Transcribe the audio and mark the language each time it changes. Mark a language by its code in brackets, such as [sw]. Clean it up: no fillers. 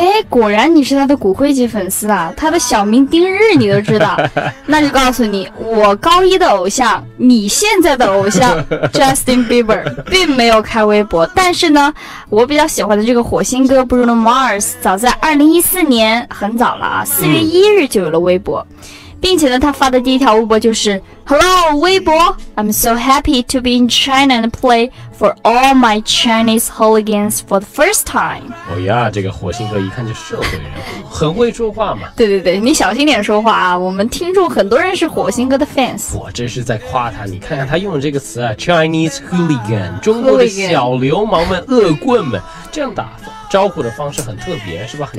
[zh] 哎，果然你是他的骨灰级粉丝啊！他的小名丁日你都知道。那就告诉你，我高一的偶像，你现在的偶像Justin Bieber 并没有开微博。但是呢，我比较喜欢的这个火星哥 Bruno Mars 早在2014年，很早了啊，4月1日就有了微博。并且呢，他发的第一条微博就是 [en] Hello 微博， I'm so happy to be in China and play for all my Chinese hooligans for the first time。 [zh] 哦呀，这个火星哥一看就是社会人，很会说话嘛。对对对，你小心点说话啊，我们听众很多人是火星哥的 fans。我这是在夸他，你看看他用的这个词啊， [en] Chinese hooligan， [zh] 中国的小流氓们、恶棍们，这样打法招呼的方式很特别，是吧？